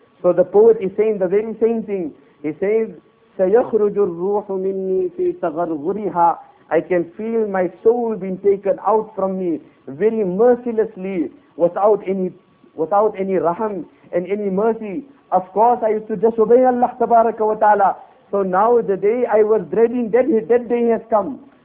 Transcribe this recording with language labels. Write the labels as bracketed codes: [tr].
[en] So the poet is saying the very same thing. He says, [ar] سَيَخْرُجُ الرُّوحُ مِنِّي فِي تَغَرْغُرِهَا. [en] I can feel my soul being taken out from me very mercilessly, without any raham and any mercy. Of course, I used to disobey Allah tabaraka wa ta'ala. So now the day I was dreading, that day has come.